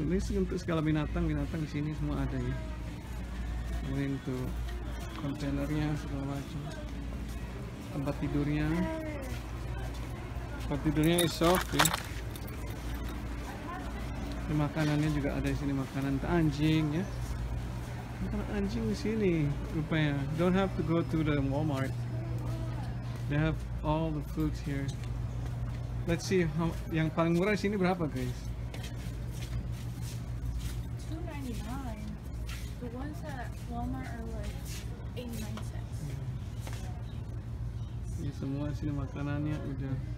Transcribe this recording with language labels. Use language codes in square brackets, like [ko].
[id] Ini sih untuk segala binatang di sini semua ada ya. Ini untuk kontainernya segala macam, tempat tidurnya [en] is soft [id] ya. Ini makanannya juga ada di sini, makanan untuk anjing ya. Makanan anjing di sini rupanya. [en] Don't have to go to the Walmart. They have all the foods here. Let's see how [id] yang paling murah di sini berapa, guys? [en] $2.99. The ones at Walmart are like 89 cents. [id] Ini semua sini makanannya udah.